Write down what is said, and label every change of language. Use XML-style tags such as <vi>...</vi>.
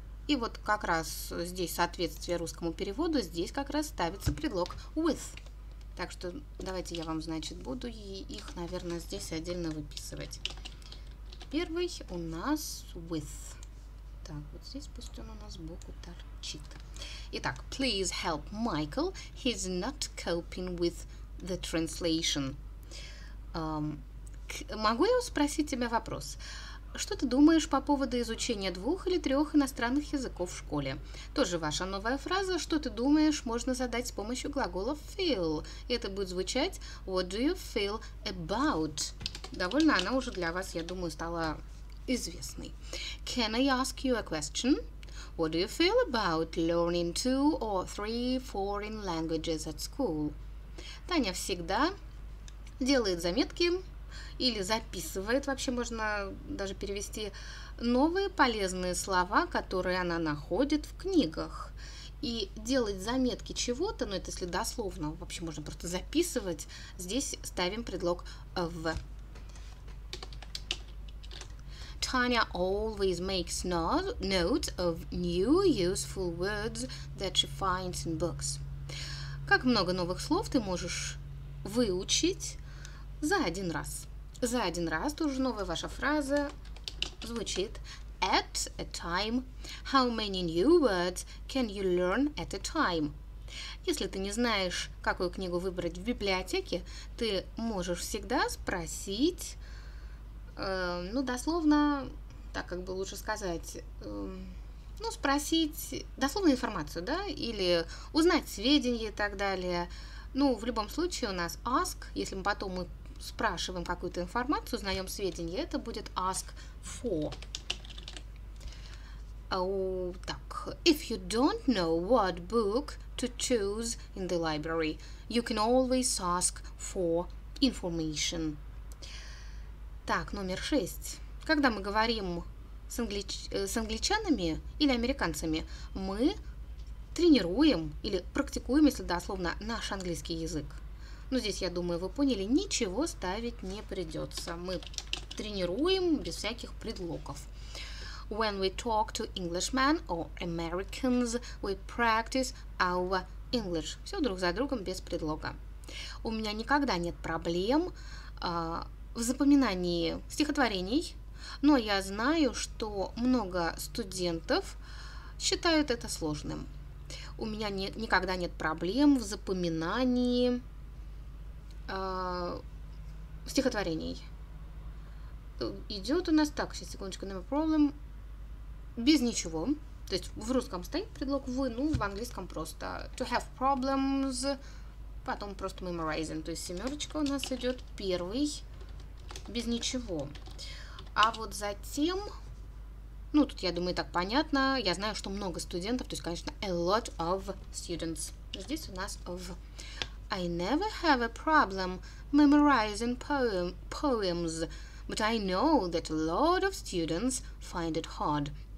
<ru>И вот как раз здесь соответствие русскому переводу, здесь как раз ставится предлог with. Так что давайте я вам, значит, буду их, наверное, здесь отдельно выписывать. Первый у нас with. Так, вот здесь пусть он у нас сбоку торчит.</ru> <en>Итак, please help Michael, he's not coping with the translation.</en> <ru>Могу я спросить тебя вопрос? Что ты думаешь по поводу изучения двух или трех иностранных языков в школе? Тоже ваша новая фраза. Что ты думаешь, можно задать с помощью глагола feel. И это будет звучать</ru> <en>what do you feel about?</en> <ru>Довольно она уже для вас, я думаю, стала известной.</ru> <en>Can I ask you a question? What do you feel about learning two or three foreign languages at school?</en> <ru>Таня всегда делает заметки. Или записывает, вообще можно даже перевести, новые полезные слова, которые она находит в книгах. И делать заметки чего-то, ну это если дословно, вообще можно просто записывать, здесь ставим предлог «of».</ru> <en>Tanya always makes notes of new useful words that she finds in books.</en> <ru>Как много новых слов ты можешь выучить за один раз? За один раз, тоже новая ваша фраза звучит</ru> <en>at a time. How many new words can you learn at a time?</en> <ru>Если ты не знаешь, какую книгу выбрать в библиотеке, ты можешь всегда спросить, ну, дословно, так как бы лучше сказать, ну, спросить дословную информацию, да, или узнать сведения и так далее. Ну, в любом случае у нас ask, если мы потом мы спрашиваем какую-то информацию, узнаем сведения, это будет ask for.</ru> <en>Так, if you don't know what book to choose in the library, you can always ask for information.</en> <ru>Так, номер 6. Когда мы говорим с англичанами или американцами, мы тренируем или практикуем, если дословно, наш английский язык. Ну, здесь, я думаю, вы поняли, ничего ставить не придется. Мы тренируем без всяких предлогов.</ru> <en>When we talk to Englishmen or Americans, we practice our English.</en> <ru>Все друг за другом без предлога. У меня никогда нет проблем в запоминании стихотворений, но я знаю, что много студентов считают это сложным. У меня никогда нет проблем в запоминании стихотворений. Идет у нас так, сейчас, секундочку,</ru> <en>no problem,</en> <ru>без ничего. То есть в русском стоит предлог вы, ну, в английском просто</ru> <en>to have problems,</en> <ru>потом просто memorizing. То есть семерочка у нас идет первый, без ничего. А вот затем, ну, тут, я думаю, так понятно, я знаю, что много студентов, то есть, конечно,</ru> <en>a lot of students.</en> <ru>Здесь у нас в...</ru> <en>I never have a problem memorizing poems, but I know that a lot of students find it hard.</en>